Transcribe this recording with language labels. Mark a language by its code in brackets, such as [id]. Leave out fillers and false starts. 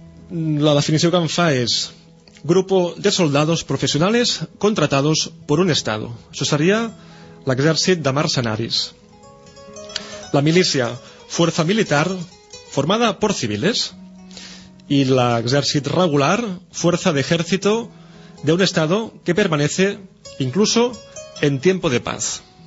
[ca] La definició que em fa és [es] grupo de soldados profesionales contratados por un estado. [ca] Això seria l'exèrcit de mercenaris. [es] La milicia, fuerza militar formada por civiles. [ca] I l'exèrcit regular, [es] fuerza de ejército de un estado que permanece incluso en tiempo de paz.